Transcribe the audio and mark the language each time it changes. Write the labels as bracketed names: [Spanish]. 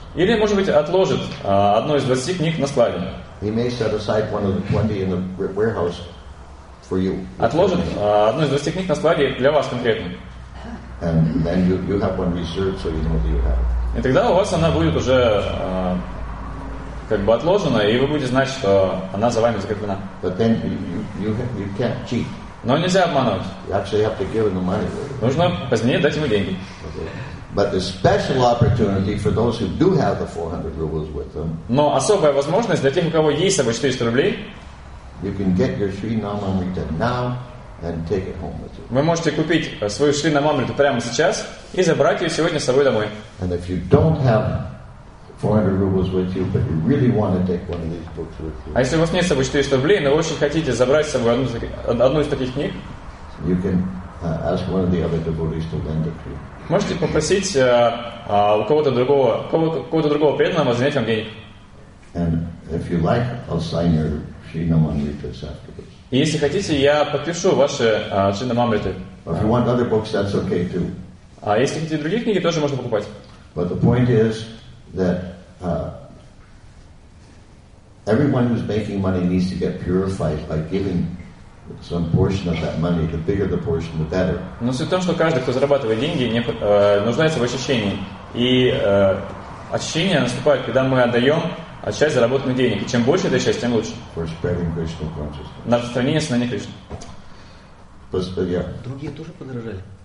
[Russian] Или, может быть, отложит одну из 20 книг на складе. [English] He may set aside one of the 20 in the warehouse for you. [Russian] Отложит одну из 20 книг на складе для вас конкретно. [English] And then you have one reserved, so you know that you have it. [Russian] И тогда у вас она будет уже как бы отложено, и вы будете знать, что она за вами закреплена. [English] But then you can't cheat. [Russian] Но нельзя обманывать. [English] You actually have to give the money. [Russian] Нужно позднее дать ему деньги. [English] But the special opportunity for those who do have the 400 rubles with them. [Russian] Но особая возможность для тех, у кого есть собой 400 рублей. [English] You can get your Sri Namamrita now and take it home with you. [Russian] Вы можете купить свою Шри Намамриту прямо сейчас и забрать ее сегодня с собой домой. [English] And if you don't have 400 rubles with you, but you really want to take one of these books with you. [Russian] А если у вас нет с собой 400 рублей, но вы очень хотите забрать с собой одну из таких книг, [English] you can ask one of the other devotees to lend it to you. [Russian] Можете попросить у кого-то другого преданного занять вам денег. [English] And if you like, I'll sign your Sri Namamritas afterwards. [Russian] И если хотите, я подпишу ваши Sri Namamritas. [English] If you want other books, that's okay too. [Russian] А если хотите другие книги, тоже можно покупать. [English] But the point is that everyone who's making money needs to get purified by giving some portion of that money. The bigger the portion, the better. [Russian] Но суть в том, что каждый, кто зарабатывает деньги, нуждается в очищении. И очищение наступает, когда мы отдаем часть заработанных денег. И чем больше эта часть, тем лучше. [English] For spreading Krishna consciousness. [Russian] На распространение сознания Кришны. Другие тоже подорожали?